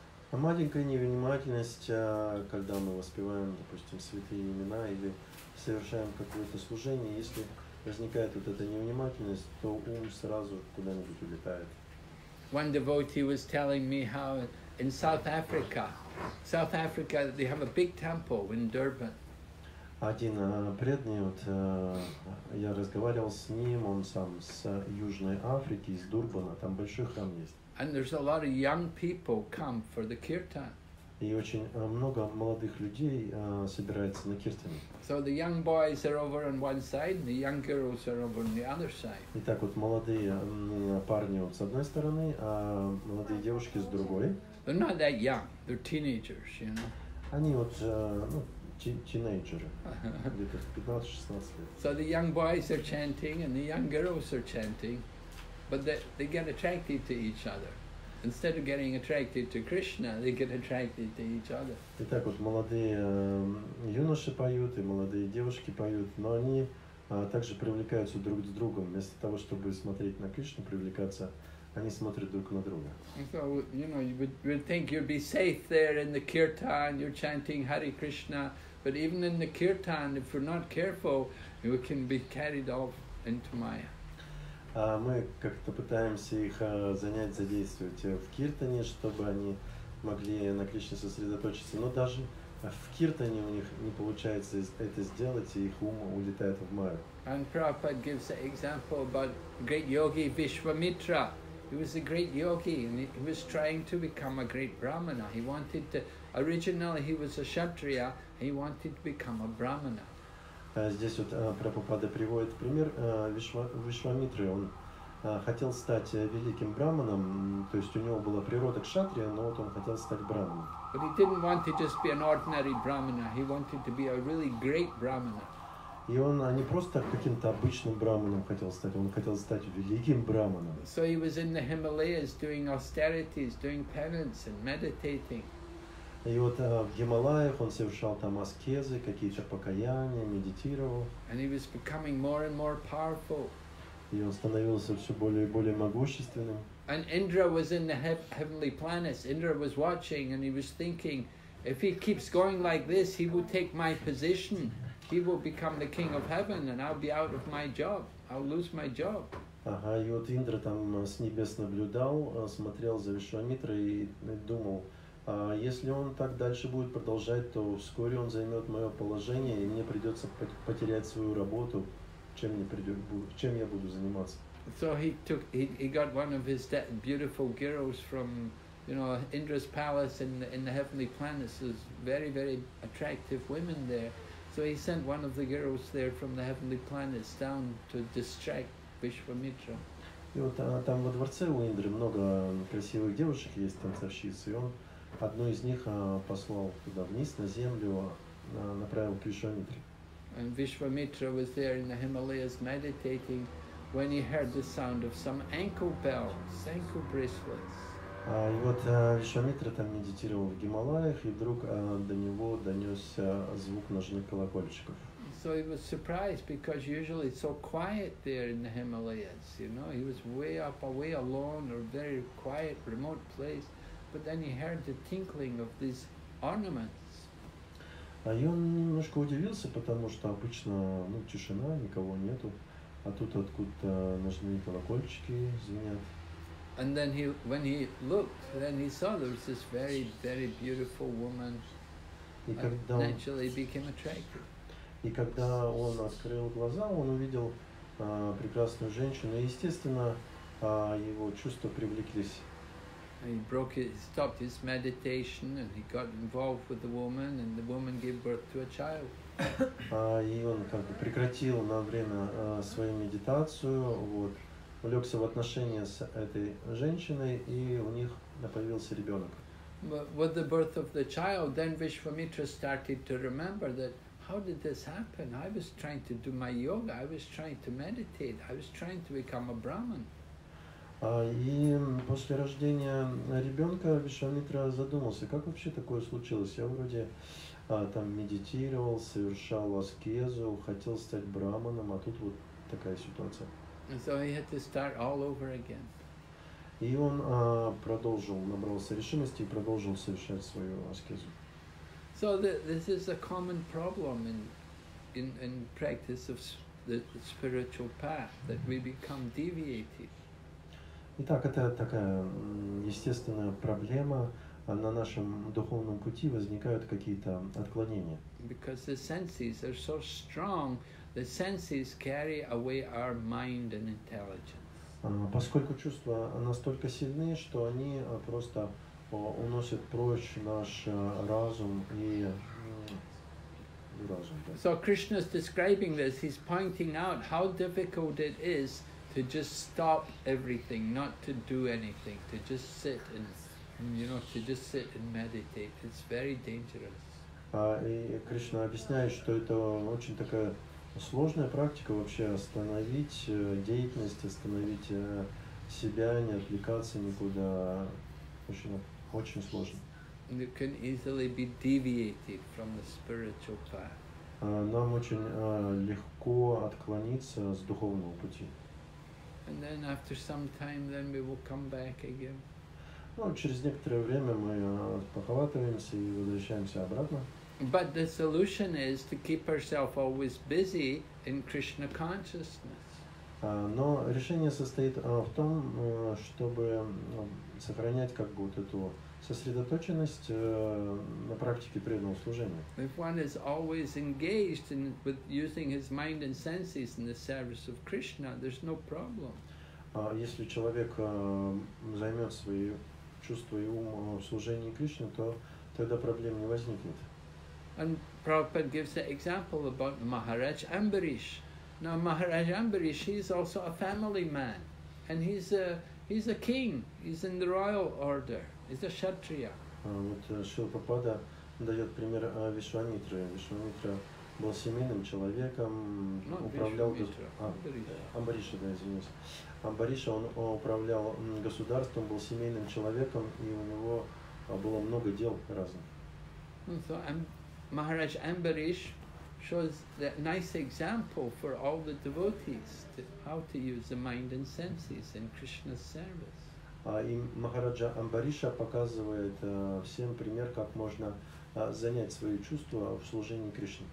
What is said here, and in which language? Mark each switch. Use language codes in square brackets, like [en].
[ru] А маленькая невнимательность, когда мы воспеваем, допустим, святые имена или совершаем какое-то служение, если возникает вот эта невнимательность, то ум сразу куда-нибудь улетает. [en] One devotee was telling me how in South Africa they have a big temple in Durban. [ru] Один преданный, вот я разговаривал с ним, он сам с Южной Африки, из Дурбана, там большой храм есть. [en] And there's a lot of young people come for the kirtan. [ru] И очень много молодых людей собирается на киртане. [en] So the young boys are over on one side, the young girls are over on the other side. [ru] Итак, вот молодые парни вот с одной стороны, а молодые девушки с другой. [en] They're not that young, they're teenagers, you know. [ru] Они вот, тинейджеры, где-то 15-16 лет. [en] So the young boys are chanting and the young girls are chanting, but they get attracted to each other. Instead of getting attracted to Krishna, they get attracted to each other. [ru] Итак, вот молодые юноши поют и молодые девушки поют, но они также привлекаются друг с другом. Вместо того, чтобы смотреть на Кришну, привлекаться, они смотрят друг на друга. [en] So, you know, you would think you'd be safe there in the kirtan, you're chanting Hare Krishna, but even in the kirtan, if we're not careful, we can be carried off into Maya. [ru] Мы как-то пытаемся их занять, задействовать в киртане, чтобы они могли на Кришне сосредоточиться, но даже в киртане у них не получается это сделать, и их ум улетает в Майю. [en] And Prabhupada gives an example about great yogi Vishwamitra. He was a great yogi and he was trying to become a great brahmana. He wanted to, originally he was a kshatriya, he wanted to become a brahmana. [ru] Здесь вот Прабхупада приводит пример Вишвамитры. Он хотел стать великим брахманом, то есть у него была природа кшатрия, но вот он хотел стать брахманом. [en] But he didn't want to just be an ordinary brahmana, he wanted to be a really great brahmana. [ru] И он не просто каким-то обычным брахманом хотел стать, он хотел стать великим брахманом. [en] So he was in the Himalayas doing austerities, doing penance and meditating. [ru] И вот в Гималаях он совершал там аскезы, какие-то покаяния, медитировал. [en] And he was becoming more and more powerful. [ru] И он становился все более и более могущественным. [en] And Indra was in the heavenly planets. Indra was watching and he was thinking, if he keeps going like this, he will take my position. He will become the king of heaven, and I'll be out of my job. I'll lose my job. [ru] Ага, и вот Индра там с небес наблюдал, смотрел за Вишвамитрой и думал, если он так дальше будет продолжать, то вскоре он займет мое положение, и мне придется потерять свою работу. чем мне придёт, чем я буду заниматься. [en] So he took, he got one of his beautiful girls from, you know, Indra's palace in the heavenly planets. There's very, very attractive women there. So he sent one of the girls there from the heavenly planets down to distract Vishwamitra. [ru] И вот там во дворце у Индры много красивых девушек есть, танцовщицы, и он одну из них послал туда вниз, на землю, направил к Вишвамитре. [en] And Vishwamitra was there in the Himalayas meditating when he heard the sound of some ankle bells, ankle bracelets. [ru] И вот Вишвамитра там медитировал в Гималаях, и вдруг до него донесся звук ножных колокольчиков. [en] So he was surprised because usually it's so quiet there in the Himalayas, you know. He was way up, away alone, or very quiet, remote place. But then he heard the tinkling of these ornaments. [ru] И он немножко удивился, потому что обычно, ну, тишина, никого нету. А тут откуда-то ножные колокольчики звенят. [en] And then he, when he looked, then he saw there was this very, very beautiful woman. And naturally became attracted. [ru] И когда он открыл глаза, он увидел прекрасную женщину, и, естественно, его чувства привлеклись. [en] He broke his, stopped his meditation, and he got involved with the woman, and the woman gave birth to a child. [ru] И он как бы прекратил на время свою медитацию, вот, улегся в отношения с этой женщиной, и у них появился ребенок. [en] But with the birth of the child, then Vishwamitra started to remember that how did this happen? I was trying to do my yoga, I was trying to meditate, I was trying to become a Brahman. [ru] И после рождения ребенка Вишвамитра задумался, как вообще такое случилось? Я вроде там медитировал, совершал аскезу, хотел стать Брахманом, а тут вот такая ситуация. [en] And so he had to start all over again. [ru] И он продолжил, набрался решимости и продолжил совершать свою аскезу. [en] So this is a common problem in practice of the spiritual path, that we become deviated. [ru] Итак, это такая естественная проблема на нашем духовном пути, возникают какие-то отклонения. [en] Because the senses are so strong, the senses carry away our mind and intelligence. [ru] Поскольку чувства настолько сильны, что они просто уносит прочь наш разум и разум. Да. [en] So Krishna is describing this. He's pointing out how difficult it is to just stop everything, not to do anything, to just sit and, you know, to just sit and meditate. It's very dangerous. [ru] И Кришна объясняет, что это очень такая сложная практика вообще остановить деятельность, остановить себя, не отвлекаться никуда. Очень сложно. [en] You can easily be deviated from the spiritual path. [ru] Нам очень легко отклониться с духовного пути. [en] And then after some time, then we will come back again. [ru] Ну, через некоторое время мы похватываемся и возвращаемся обратно. [en] But the solution is to keep ourselves always busy in Krishna consciousness. [ru] Но решение состоит в том, чтобы сохранять как бы вот эту сосредоточенность на практике преданного служения. [en] If one is always engaged in with using his mind and senses in the service of Krishna, there's no problem. [ru] Если человек займет свои чувства и ум в служении Кришне, то тогда проблем не возникнет. [en] And Prabhupada gives an example about Maharaj Ambarish. Now Maharaj Ambarish, he's also a family man, and he's a king. He's in the royal order. He's a Kshatriya. [ru] Вот Шрила Прабхупада дает пример Вишвамитры. Вишвамитра был семейным человеком, управлял Амбариша, да, извиняюсь. Амбариша, он управлял государством, был семейным человеком, и у него было много дел разных. [en] So Maharaj Ambarish shows the nice example for all the devotees to how to use the mind and senses in Krishna's service. [ru] И Махараджа Амбариша показывает всем пример, как можно занять свои чувства в служении Кришне.